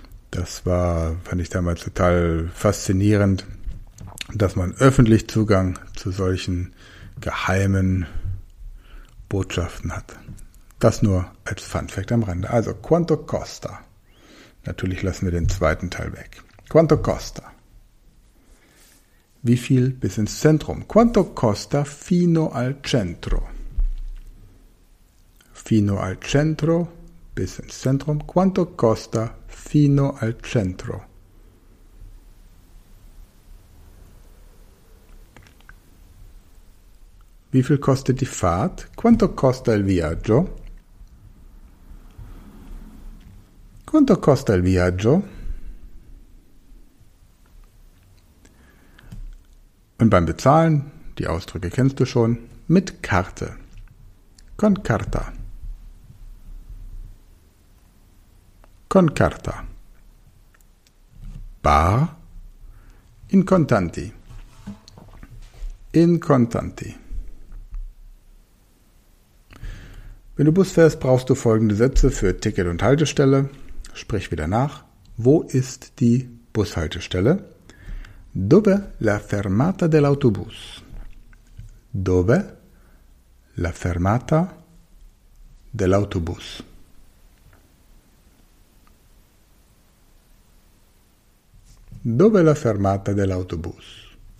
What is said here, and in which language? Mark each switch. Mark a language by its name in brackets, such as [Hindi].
[German] Das war, fand ich damals total faszinierend, dass man öffentlich Zugang zu solchen geheimen Botschaften hat. Das nur als Fun Fact am Rande. Also, [Italian] quanto costa? [German] Natürlich lassen wir den zweiten Teil weg. [Italian] Quanto costa? [German] Wie viel bis ins Zentrum? [Italian] Quanto costa fino al centro? Fino al centro, [German] bis ins Zentrum. [Italian] Quanto costa fino al centro? [German] Wie viel kostet die Fahrt? [Italian] Quanto costa il viaggio? Quanto costa il viaggio? [German] Und beim Bezahlen, die Ausdrücke kennst du schon, mit Karte. [Italian] Con carta. Con carta. [German] Bar. [Italian] In contanti. In contanti. [German] Wenn du Bus fährst, brauchst du folgende Sätze für Ticket und Haltestelle. Sprich wieder nach. Wo ist die Bushaltestelle? [Italian] Dove la fermata dell'autobus? Dove la fermata dell'autobus? dove la fermata dell'autobus?